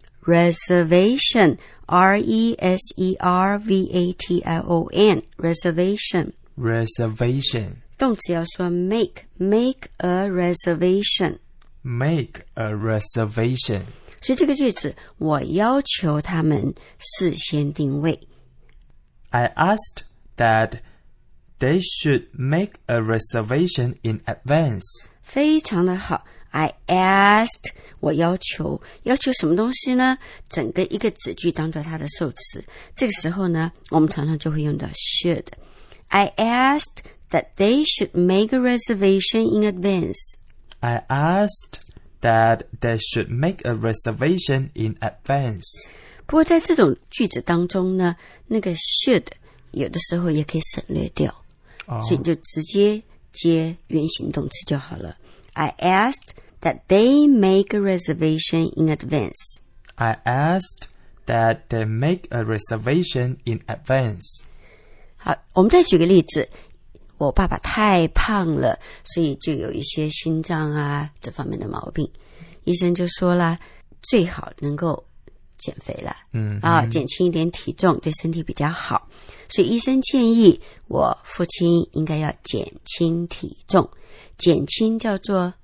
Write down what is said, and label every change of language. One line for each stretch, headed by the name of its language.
English: Reservation, R-E-S-E-R-V-A-T-I-O-N, reservation. Reservation.
Chinese: 动词要说
English: make a reservation make a reservation
Chinese: 所以这个句子我要求他们事先定位
English: I asked that they should make a reservation in advance
Chinese: 非常的好
English: I asked
Chinese: 我要求什么东西呢？整个一个子句当作它的受词，这个时候呢我们常常就会用到
English: should I askedthat they should make a reservation in advance. I asked that they should make a reservation in advance.
Chinese: 不过在这种句子当中呢，那个 should 有的时候也可以省略掉、 oh. 所以你就直接接原形动词就好了。
English: I asked that they make a reservation in advance. I asked that they make a reservation in advance.
Chinese: 好，我们再举个例子，我爸爸太胖了，所以就有一些心脏啊这方面的毛病，医生就说了最好能够减肥了、嗯、啊，减轻一点体重对身体比较好，所以医生建议我父亲应该要减轻体重，减轻叫做